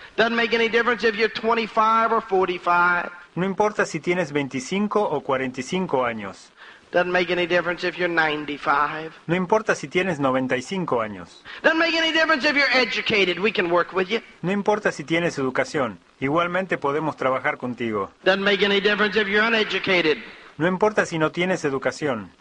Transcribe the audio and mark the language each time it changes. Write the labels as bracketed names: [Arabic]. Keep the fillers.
[English] Doesn't make any difference if you're 25 or 45. [Spanish] No importa si tienes 25 o 45 años. [English] Doesn't make any difference if you're 95. [Spanish] No importa si tienes 95 años. [English] Doesn't make any difference if you're educated. We can work with you. [Spanish] No importa si tienes educación. Igualmente podemos trabajar contigo. [English] Doesn't make any difference if you're uneducated. [Spanish] No importa si no tienes educación.